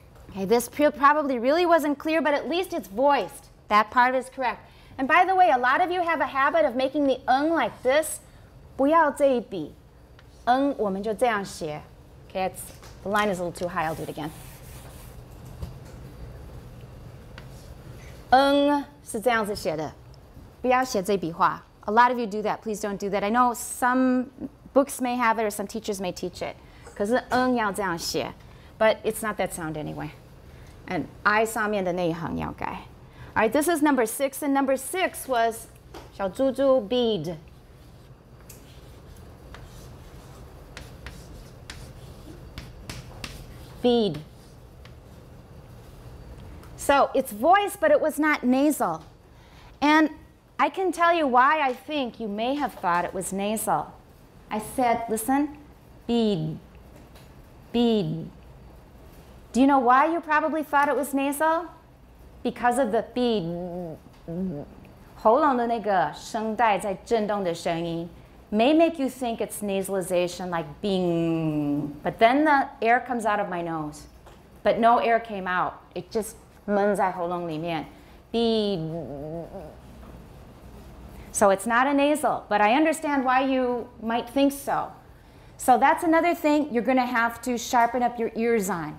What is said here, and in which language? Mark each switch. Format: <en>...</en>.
<en>Okay, this probably really wasn't clear, but at least it's voiced. That part is correct. And by the way, a lot of you have a habit of making the 嗯 like this.</en> <zh>不要这一笔。嗯，我们就这样写。</zh> <en>Okay, the line is a little too high. I'll do it again.</en> <zh>嗯是这样子写的，不要写这笔画。</zh> <en>A lot of you do that. Please don't do that. I know some books may have it, or some teachers may teach it.</en> <zh>可是嗯要这样写。</zh> <en>But it's not that sound anyway. And I</en> <zh>上面的那一行要改。All right, this is number six.</zh> <en>And number six was</en> <zh>小猪猪</zh> <en>bead. Bead. So it's voiced, but it was not nasal. And I can tell you why I think you may have thought it was nasal. I said, listen, bead, bead. Do you know why you probably thought it was nasal? Because of the bead.</en> <zh>喉咙的那个声带在震动的声音。</zh> <en>May make you think it's nasalization, like bing. But then the air comes out of my nose. But no air came out. It just</en> <zh>闷在喉咙里面.</zh> <en>Bing. So it's not a nasal. But I understand why you might think so. So that's another thing you're going to have to sharpen up your ears on.</en>